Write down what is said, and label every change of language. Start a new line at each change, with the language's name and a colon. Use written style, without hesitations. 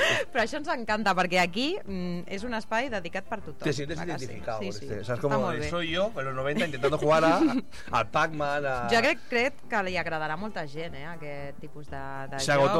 Catalan: Però això ens encanta, perquè aquí és un espai dedicat per tothom.
Spanish: Te sientes identificado. Sí, sí.
Catalan: Saps com
Spanish: soy yo, en los 90, intentando jugar al Pac-Man.
Catalan: Jo crec que li agradarà molta gent, aquest tipus de joc.